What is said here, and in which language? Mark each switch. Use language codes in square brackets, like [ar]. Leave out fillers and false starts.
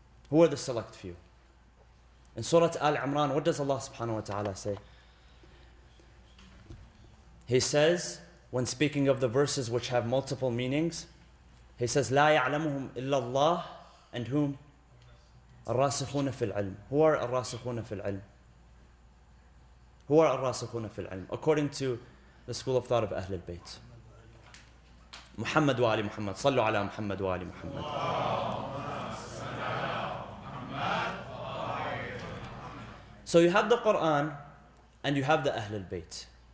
[en] Who are the select few? In Surah Al-Imran, what does Allah subhanahu wa ta'ala say? He says, when speaking of the verses which have multiple meanings, he says, [ar] لا يعلمهم إلا الله, [en] and whom? [ar] الراسخون في العلم. [en] Who are [ar] الراسخون في العلم? [en] Who are الراسخون في العلم? According to the school of thought of Ahlul Bayt. [ar] Muhammad wa Ali Muhammad. صلوا على محمد وعلى محمد. [en] So you have the Quran and you have the Ahlul Bayt.